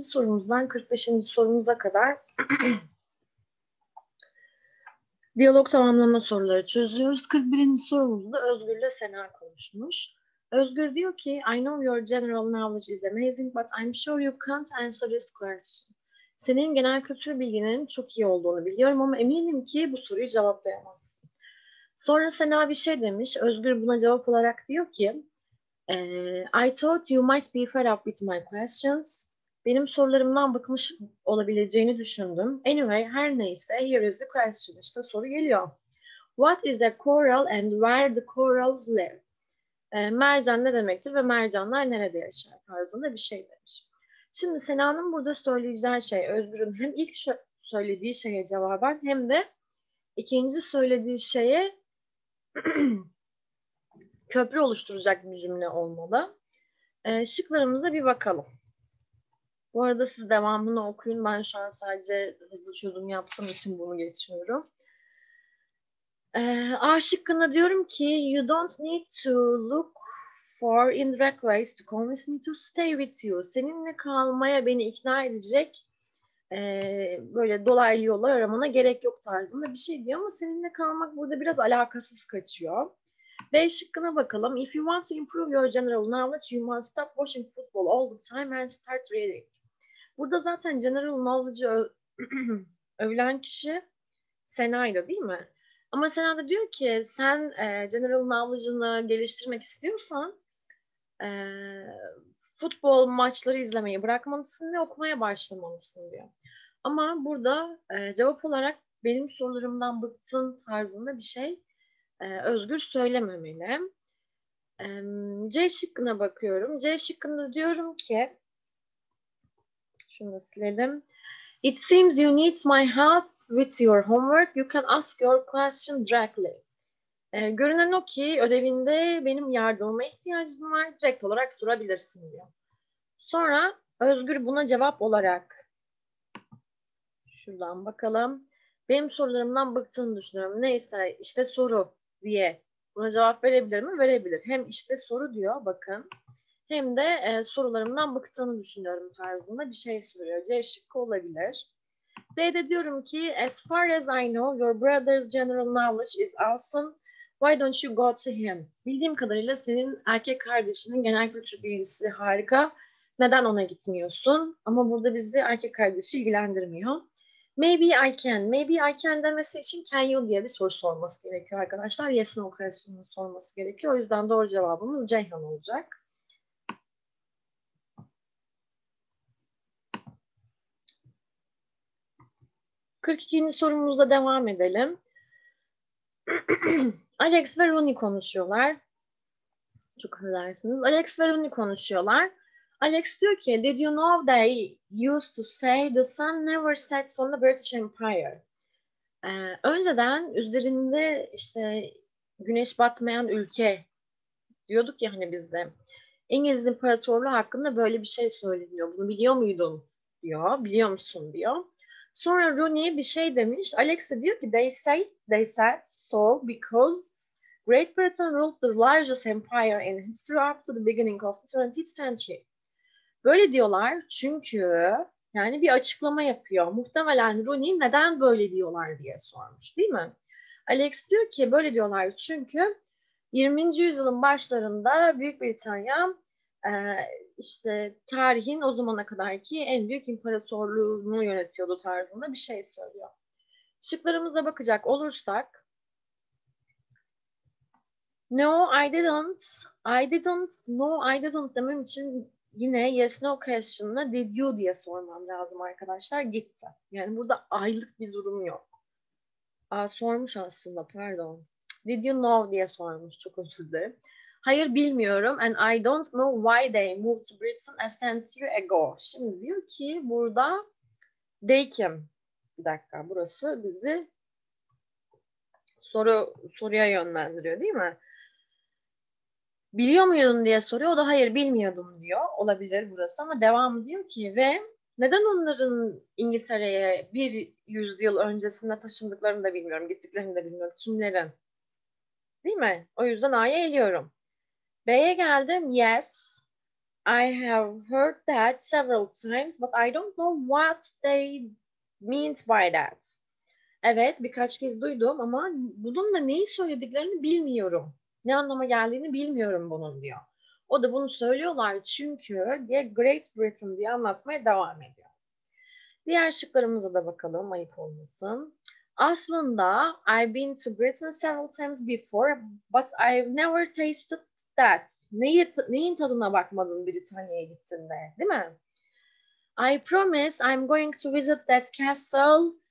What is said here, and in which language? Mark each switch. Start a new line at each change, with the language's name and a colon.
Turkish: sorumuzdan 45. sorumuza kadar diyalog tamamlama soruları çözüyoruz. 41. sorumuzda Özgür'le Sena konuşmuş. Özgür diyor ki,
English: I know your general knowledge is amazing, but I'm sure you can't answer this question.
Turkish: Senin genel kültür bilginin çok iyi olduğunu biliyorum ama eminim ki bu soruyu cevaplayamazsın. Sonra Sena bir şey demiş. Özgür buna cevap olarak diyor ki,
English: I thought you might be fed up with my questions.
Turkish: Benim sorularımdan bıkmış olabileceğini düşündüm.
English: Anyway,
Turkish: her neyse,
English: here is the question.
Turkish: İşte soru geliyor.
English: What is a coral and where the corals live?
Turkish: Mercan ne demektir ve mercanlar nerede yaşar tarzında bir şey demiş. Şimdi Sena'nın burada söyleyeceği şey Özgür'ün hem ilk söylediği şeye cevaben hem de ikinci söylediği şeye köprü oluşturacak bir cümle olmalı. Şıklarımıza bir bakalım. Bu arada siz devamını okuyun. Ben şu an sadece hızlı çözüm yaptığım için bunu geçiyorum. A şıkkına diyorum ki
English: you don't need to look for indirect ways to convince me to stay with you.
Turkish: Seninle kalmaya beni ikna edecek böyle dolaylı yollar aramana gerek yok tarzında bir şey diyor ama seninle kalmak burada biraz alakasız kaçıyor. B şıkkına bakalım.
English: If you want to improve your general knowledge, you must stop watching football all the time and start reading.
Turkish: Burada zaten general knowledge'ı övülen kişi Sena'ydı değil mi? Ama Sena da diyor ki sen general knowledge'ını geliştirmek istiyorsan futbol maçları izlemeyi bırakmalısın ve okumaya başlamalısın diyor. Ama burada cevap olarak benim sorularımdan bıktın tarzında bir şey Özgür söylememeli. C şıkkına bakıyorum. C şıkkında diyorum ki şunu da silelim.
English: It seems you need my help with your homework. You can ask your question directly.
Turkish: Görünen o ki ödevinde benim yardımıma ihtiyacın var. Direkt olarak sorabilirsin diyor. Sonra Özgür buna cevap olarak şuradan bakalım. Benim sorularımdan bıktığını düşünüyorum. Neyse işte soru diye buna cevap verebilir mi? Verebilir. Hem işte soru diyor bakın. Hem de sorularımdan bıktığını düşünüyorum tarzında bir şey soruyor. C şıkkı olabilir. D'de diyorum ki
English: as far as I know your brother's general knowledge is awesome. Why don't you go to him?
Turkish: Bildiğim kadarıyla senin erkek kardeşinin genel kültür bilgisi harika. Neden ona gitmiyorsun? Ama burada bizi erkek kardeşi ilgilendirmiyor.
English: Maybe I can. Maybe I can
Turkish: demesi için
English: can you
Turkish: diye bir soru sorması gerekiyor arkadaşlar. Yes no question'ı sorması gerekiyor. O yüzden doğru cevabımız Ceyhan olacak. Kırk ikinci sorumuzla devam edelim. Alex ve Rooney konuşuyorlar. Çok affedersiniz. Alex ve Rooney konuşuyorlar. Alex diyor ki,
English: did you know they used to say the sun never sets on the British Empire?
Turkish: Önceden üzerinde işte güneş batmayan ülke diyorduk ya hani biz de. İngiliz İmparatorluğu hakkında böyle bir şey söyleniyor. Bunu biliyor muydun? Diyor. Biliyor musun? Diyor. Sonra Rooney bir şey demiş. Alex de diyor ki,
English: they said so because Great Britain ruled the largest empire in history up to the beginning of the 20th century.
Turkish: Böyle diyorlar çünkü yani bir açıklama yapıyor. Muhtemelen Rooney neden böyle diyorlar diye sormuş değil mi? Alex diyor ki böyle diyorlar çünkü 20. yüzyılın başlarında Büyük Britanya işte tarihin o zamana kadarki en büyük imparatorluğunu yönetiyordu tarzında bir şey söylüyor. Şıklarımıza bakacak olursak.
English: No, I didn't
Turkish: demem için yine yes no question'la
English: did you
Turkish: diye sormam lazım arkadaşlar. Gitti. Yani burada aylık bir durum yok. Sormuş aslında pardon.
English: Did you know
Turkish: diye sormuş çok özür dilerim. Hayır bilmiyorum
English: and I don't know why they moved to Britain a century ago.
Turkish: Şimdi diyor ki burada they kim? Bir dakika burası bizi soruya yönlendiriyor değil mi? Biliyor muydun diye soruyor. O da hayır bilmiyordum diyor. Olabilir burası ama devam diyor ki ve neden onların İngiltere'ye bir yüzyıl öncesinde taşındıklarını da bilmiyorum. Gittiklerini de bilmiyorum. Kimlerin? Değil mi? O yüzden A'ya eliyorum. B'ye geldim.
English: Yes, I have heard that several times but I don't know what they meant by that.
Turkish: Evet birkaç kez duydum ama bununla neyi söylediklerini bilmiyorum. Ne anlama geldiğini bilmiyorum bunun diyor. O da bunu söylüyorlar çünkü diye Great Britain diye anlatmaya devam ediyor. Diğer şıklarımıza da bakalım ayıp olmasın. Aslında
English: I've been to Britain several times before but I've never tasted that.
Turkish: Neyin tadına bakmadın Britanya'ya gittiğinde değil mi?
English: I promise I'm going to visit that castle.